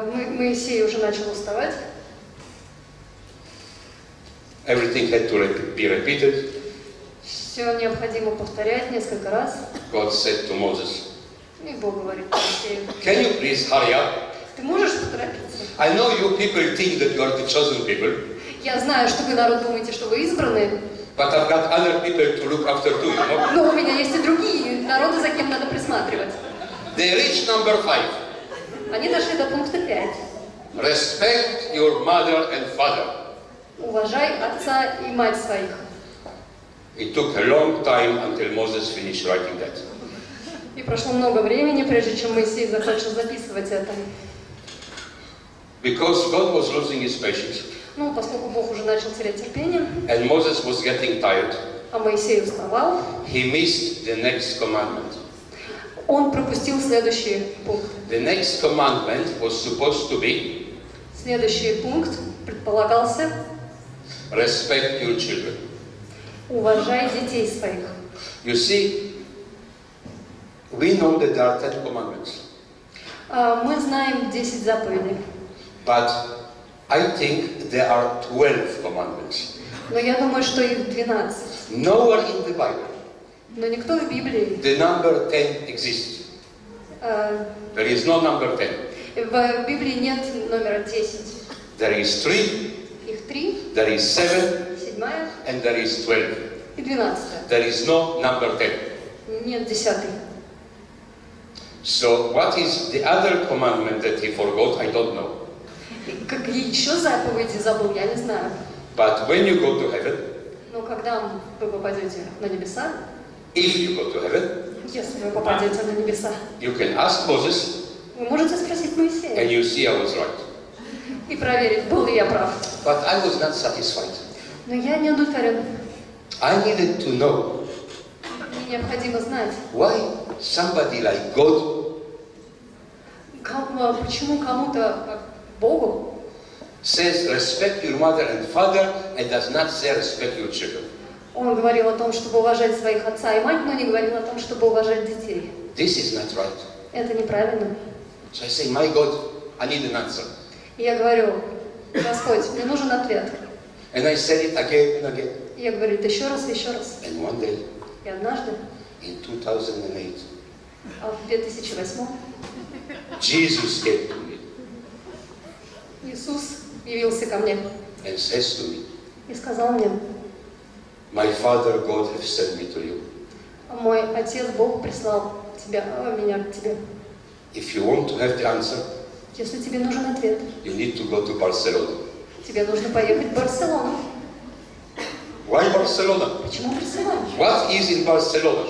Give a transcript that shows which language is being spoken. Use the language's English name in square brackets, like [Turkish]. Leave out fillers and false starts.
[Russian] Моисей уже начал уставать. [English] Everything had to be repeated. [Russian] Все необходимо повторять несколько раз. [English] God said to Moses. [Russian] И Бог говорит Моисею. [English] Can you please hurry up? [Russian] Ты можешь поторопиться? [English] I know you people think that you are the chosen people. [Russian] Я знаю, что вы народ думаете, что вы избранные. [English] But I've got other people to look after too, you know? [Russian] Но у меня есть и другие народы, за кем надо присматривать. [English] They reach number five. [Russian] Они дошли до пункта пять. [English] Respect your mother and father. [Russian] Уважай отца и мать своих. [English] It took a long time until Moses finished writing that. [Russian] И прошло много времени, прежде чем Моисей закончил записывать это. [English] Because God was losing his patience. [Russian] Ну, поскольку Бог уже начал терять терпение, [English] and Moses was getting tired, [Russian] а Моисей уставал, [English] he missed the next commandment. [Russian] Он пропустил следующий пункт. [English] The next commandment was supposed to be, [Russian] следующий пункт предполагался, [English] respect your children. [Russian] Уважай детей своих. [English] You see, we know that there are 10 commandments. [Russian] Мы знаем 10 заповедей. [English] But I think there are 12 commandments. [Russian] Но я думаю, что их 12. [English] Nowhere in the Bible. [Russian] Но никто в Библии. [English] The number 10 exists. There is no number 10. [Russian] В Библии нет номера 10. [English] There is 3. [Russian] Их 3. [English] There is 7. [Russian] Седьмая. [English] And there is 12. [Russian] И 12. [English] There is no number 10. [Russian] Нет десятый. [English] So what is the other commandment that he forgot? I don't know. [Russian] Как еще заповеди забыл, я не знаю. [English] But when you go to heaven, [Russian] но когда вы попадете на небеса, [English] if you go to heaven, [Russian] если вы попадете на небеса, [English] you can ask Moses, [Russian] вы можете спросить Моисея, [English] and you see I was right. [Russian] И проверить, был ли я прав. [English] But I was not satisfied. [Russian] Но я не удовлетворен. [English] I needed to know. [Russian] Мне необходимо знать. [English] Why somebody like God? [Russian] Почему кому-то Богу? [English] Says respect your mother and father and does not say respect your children. [Russian] Он говорил о том, чтобы уважать своих отца и мать, но не говорил о том, чтобы уважать детей. [English] This is not right. [Russian] Это неправильно. [English] So I say, my God, I need an answer. [Russian] Я говорю, Господь, мне нужен ответ. [English] And I said it again and again. [Russian] Я говорю, это еще раз и еще раз. [English] And one day. [Russian] И однажды. [English] In 2008. [Russian] А в 2008. [English] Jesus came to me. [Russian] Иисус явился ко мне. [English] And says to me. [Russian] И сказал мне. [English] My Father God has sent me to you. [Russian] Мой отец Бог прислал тебя, меня к тебе. [English] If you want to have the answer. [Russian] Если тебе нужен ответ. [English] You need to go to Barcelona. [Russian] Тебе нужно поехать в Барселону. [English] Why Barcelona? [Russian] Почему Барселона? [English] What is in Barcelona?